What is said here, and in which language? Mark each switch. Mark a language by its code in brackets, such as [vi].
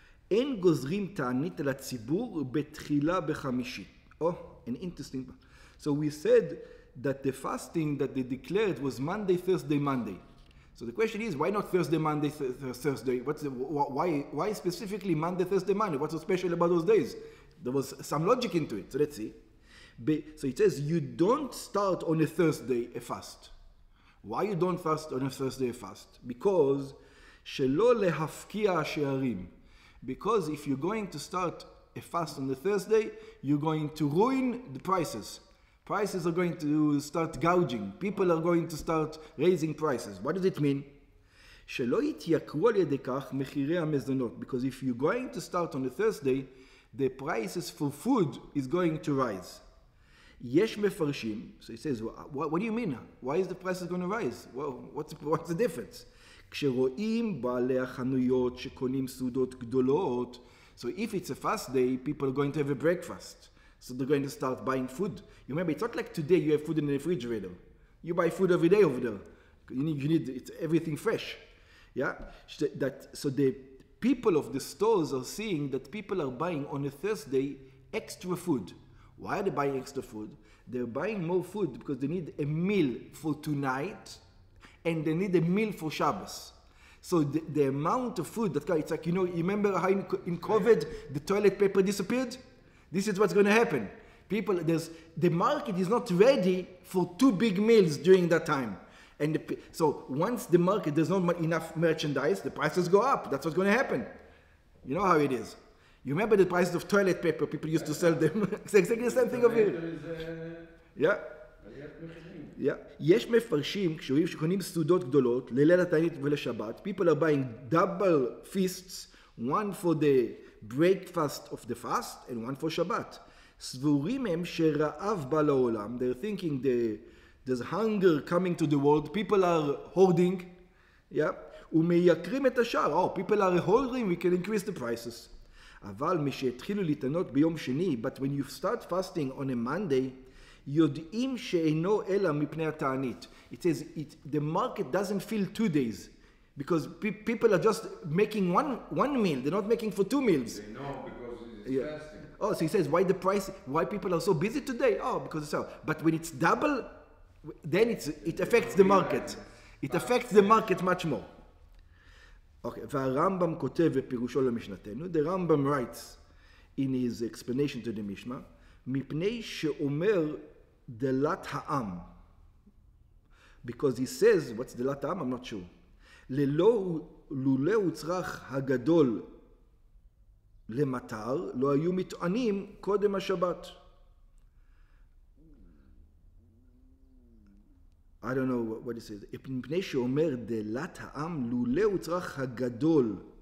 [he] אין גוזרים תענית על הציבור בתחילה בחמישי. [en] Oh, an interesting one. So we said that the fasting that they declared was Monday, Thursday, Monday. So the question is, why not Thursday, Monday, Thursday? What's the, why specifically Monday, Thursday, Monday? What's so special about those days? There was some logic into it. So let's see. So it says, you don't start on a Thursday a fast. Why you don't fast on a Thursday a fast? Because, [he] שלא להפקיע השערים. [en] Because if you're going to start a fast on the Thursday, you're going to ruin the prices. Prices are going to start gouging. People are going to start raising prices. What does it mean? [he] שלא יתייקרו על ידי כך מחירי המזונות. [en] Because if you're going to start on the Thursday, the prices for food is going to rise. [he] יש מפרשים, [en] so he says, what do you mean? Why is the prices going to rise? Well, what's the difference? [he] כשרואים בעלי החנויות שקונים סעודות גדולות, [en] so if it's a fast day, people are going to have a breakfast. So they're going to start buying food. You remember, it's not like today you have food in the refrigerator. You buy food every day over there. You need it's everything fresh. Yeah? So the people of the stores are seeing that people are buying on a Thursday extra food. Why are they buying extra food? They're buying more food because they need a meal for tonight and they need a meal for Shabbos. So the amount of food that it's like, you know, you remember how in COVID the toilet paper disappeared? This is what's going to happen. People, the market is not ready for two big meals during that time. And so once the market, there's not enough merchandise, the prices go up. That's what's going to happen. You know how it is. You remember the prices of toilet paper people used to sell them? It's exactly the same thing over here. Yeah. Yeah. [he] יש מפרשים כשרואים שקונים סעודות גדולות לליל התענית ולשבת. [en] People are buying double feasts, one for the breakfast of the fast and one for Shabbat. [he] סבורים הם שרעב בא לעולם. [en] They're thinking there's hunger coming to the world. People are hoarding. Yeah. [he] ומייקרים את השאר. [en] Oh, people are hoarding. We can increase the prices. [he] אבל משהתחילו להתענות ביום שני, [en] but when you start fasting on a Monday, [he] יודעים שאינו אלא מפני התענית. [en] It says the market doesn't fill 2 days. Because people are just making one meal. They're not making for 2 meals. They know because it's fasting. Oh, so he says, why the price? Why people are so busy today? Oh, because it's so. But when it's double, then it affects the market. It affects the market much more. Okay. [he] והרמב״ם כותב בפירושו למשנתנו. [en] The Rambam writes in his explanation to the Mishnah, [he] מפני שאומר דלת העם. [en] Because he says, what's [he] דלת העם? [en] I'm not sure. [he] לולא הוצרך הגדול למטר, לא היו מטענים קודם השבת. [en] I don't know what he says. [he] מפני שאומר דלת העם, לולא הוצרך הגדול.